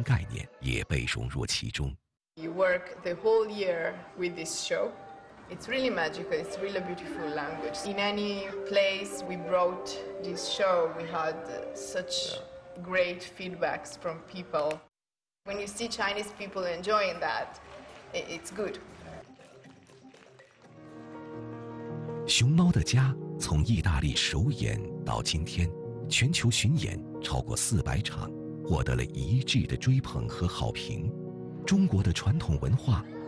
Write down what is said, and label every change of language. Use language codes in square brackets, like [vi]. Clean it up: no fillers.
[zh] 这部儿童剧充满了东方美学，孩子们在充满奇幻的世界里看汉字的演变、季节的更替，中国传统文化中的金木水火土五行概念也被融入其中。 [en] You work the whole year with this show. It's really magical, it's really a beautiful language. In any place we brought this show, we had such great feedbacks from people. When you see Chinese people enjoying that, it's good. [zh] 熊猫的家从意大利首演到今天，全球巡演超过400场，获得了一致的追捧和好评。中国的传统文化